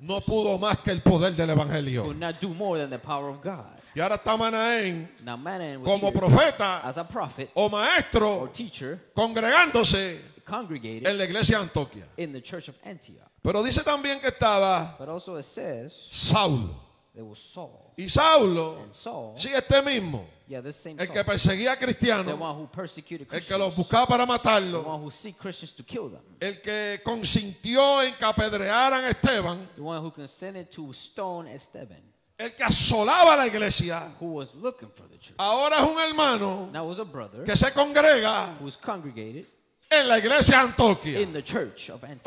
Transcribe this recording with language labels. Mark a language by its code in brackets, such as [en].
[es] no pudo más que el poder del evangelio. [en] Could not do more than the power of God. [es] Y ahora está Manaén, [en] now Manaén was [es] como [en] here, [es] profeta, [en] as a prophet, [es] o maestro, [en] or teacher, [es] congregándose [en] congregated [es] en la iglesia de Antioquía. [en] In the church of Antioch. [es] Pero dice también que estaba [en] but also it says, [es] Saulo. [en] was Saul. [es] Y Saulo, [en] and Saul, [es] sí, este mismo, [en] yeah, this same [es] el Saul, que perseguía a cristianos, [en] the one who persecuted Christians, [es] el que los buscaba para matarlo, [en] the one who seek Christians to kill them, [es] el que consintió en que apedrearan a Esteban, [en] the one who consented to stone Esteban, [es] el que asolaba la iglesia, [en] who was looking for the church. [es] Ahora es un hermano, [en] now was a brother, [es] que se congrega, [en] who's congregated, [es] en la iglesia de Antioquia. [en] In the church of Antioch.